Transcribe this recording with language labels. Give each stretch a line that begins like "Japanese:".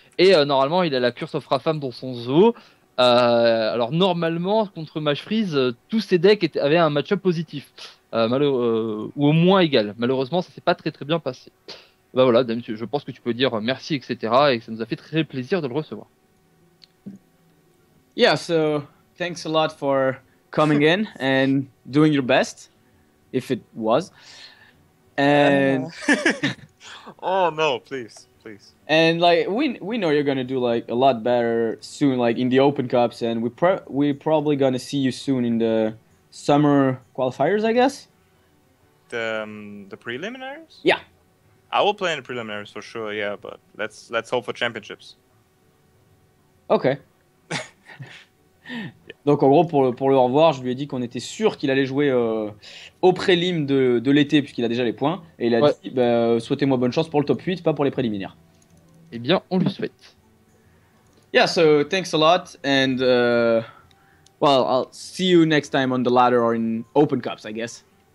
French: Et normalement, il a la Curse of Rafam dans son zoo. Alors normalement contre Mage Freeze, tous ces decks avaient un match-up positif, ou au moins égal. Malheureusement, ça s'est pas très très bien passé. Bah voilà, Dame, je pense que tu peux dire merci, etc. Et ça nous a fait très plaisir de le recevoir.
English: Yeah, so thanks a lot for coming in and doing your best, if it was. And oh no, please. Please. And like we know you're gonna do like a lot better soon, like in the Open Cups, and we're probably gonna see you soon in the summer qualifiers, I guess. The preliminaries? Yeah. I will play in the preliminaries for sure, yeah, but let's hope for championships. Okay. Yeah.
French: Donc en gros, pour le au revoir, je lui ai dit qu'on était sûr qu'il allait jouer au prélim de l'été, puisqu'il a déjà les points. Et il a dit, bah, souhaitez-moi bonne chance pour le top 8, pas pour les préliminaires. Eh bien, on lui souhaite.
English: Yeah, so thanks a lot, and well, I'll see you next time on the ladder or in open cups, I guess.